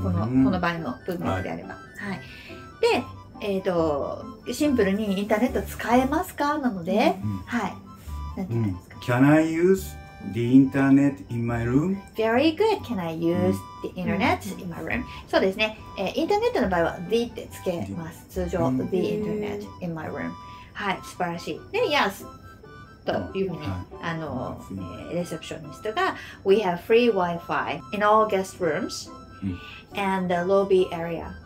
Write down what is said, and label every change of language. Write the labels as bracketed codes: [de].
[ja] この場合の文脈であれば。はい。で、シンプルにインターネット使えますかなので、はい。 [en] Can I use? The internet in my room? Very good. Can I use the internet in my room? [ja] そうですね。インターネットの場合は the ってつけます。通常、 [en] the internet in my room。 [ja] はい、素晴らしい。で、yes! というふうに、あの、レセプショニストが、 [en] We have free Wi-Fi in all guest rooms and the lobby area。